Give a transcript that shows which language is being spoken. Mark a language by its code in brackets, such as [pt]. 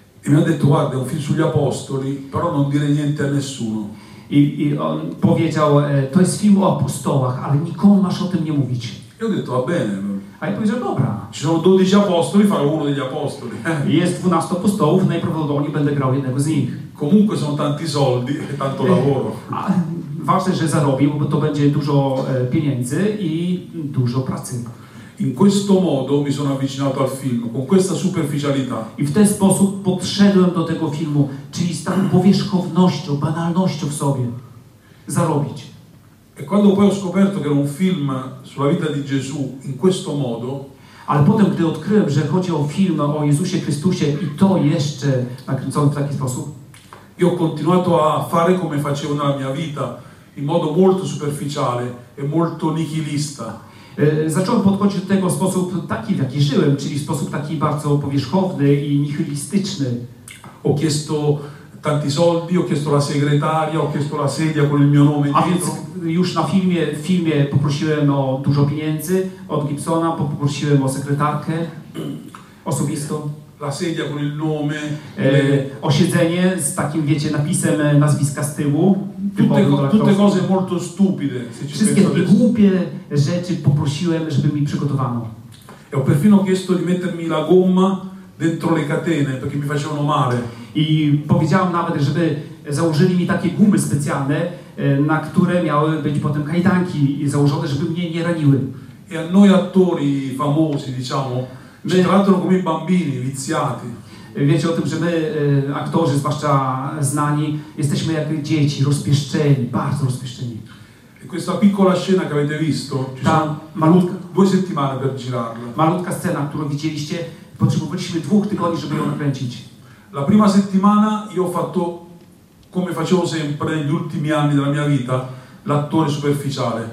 [it] mi ha detto: guarda, è un film sugli apostoli, però non dire niente a nessuno. [pl] I on powiedział: to jest film o apostołach, ale nikomu masz o tym nie mówić. [it] Io ho detto: va bene. [pl] A ja powiedział: dobra. [it] Ci sono 12 apostoli, farò uno degli apostoli. [pl] Jest 12 apostołów, najprawdopodobniej będę grał jednego z nich. [it] Comunque sono tanti soldi e tanto lavoro. [pl] Ważne, że zarobił, bo to będzie dużo pieniędzy i dużo pracy. [it] In questo modo mi sono avvicinato al film, con questa superficialità. [pl] I w ten sposób podszedłem do tego filmu, czyli z taką powierzchownością, banalnością w sobie. Zarobić. [it] E quando poi ho scoperto che era un film sulla vita di Gesù, in questo modo... [pl] Ale potem, gdy odkryłem, że chodzi o film o Jezusie Chrystusie i to jeszcze nakręcony w taki sposób... [it] Io ho continuato a fare come facevo nella mia vita, in modo molto superficiale e molto nihilista. [pl] Zacząłem podchodzić do tego w sposób taki, w jaki żyłem, czyli w sposób taki bardzo powierzchowny i nihilistyczny. [it] Ho chiesto tanti soldi, ho chiesto la segretaria, ho chiesto la sedia con il mio nome dietro. [pl] A więc już na filmie, w filmie poprosiłem o dużo pieniędzy od Gibsona, poprosiłem o sekretarkę osobistą. [it] La sedia con il nome. [pl] O siedzenie z takim, wiecie, napisem nazwiska z tyłu. [it] Tutte cose molto stupide. [pl] Wszystkie te głupie rzeczy poprosiłem, żeby mi przygotowano. [it] E ho perfino chiesto di mettermi la gomma dentro le catene, perché mi facevano male. [pl] I powiedziałem nawet, żeby założyli mi takie gumy specjalne, na które miały być potem kajdanki założone, żeby mnie nie raniły. [it] E a noi attori famosi, diciamo, ci trattano come i bambini, viziati. [pl] Wiecie o tym, że my, aktorzy, zwłaszcza znani, jesteśmy jak dzieci, rozpieszczeni, bardzo rozpieszczeni. [it] E questa piccola scena che avete visto, [pl] ci ta malutka, [it] due settimane per girarla. [pl] Malutka scena, którą widzieliście, potrzebowaliśmy dwóch tygodni, żeby ją nakręcić. [it] La prima settimana io ho fatto, come facevo sempre negli ultimi anni della mia vita, l'attore superficiale.